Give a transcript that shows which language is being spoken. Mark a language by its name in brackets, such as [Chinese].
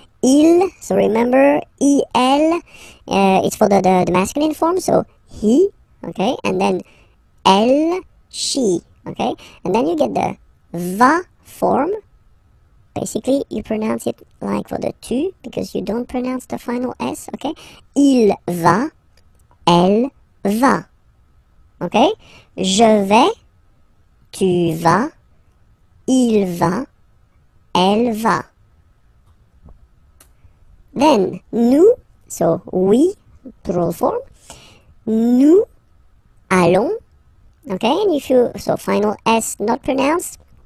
[English] Il, so remember, il, it's for the masculine form, so he, okay, and then elle, she, okay, and then you get the va form. Basically, you pronounce it like for the tu, because you don't pronounce the final S, okay? [French] Il va, elle va, okay? Je vais, tu vas, il va, elle va. [English] Then, nous, so we, plural form, [French] nous allons, [English] okay, and if you, so final S not pronounced,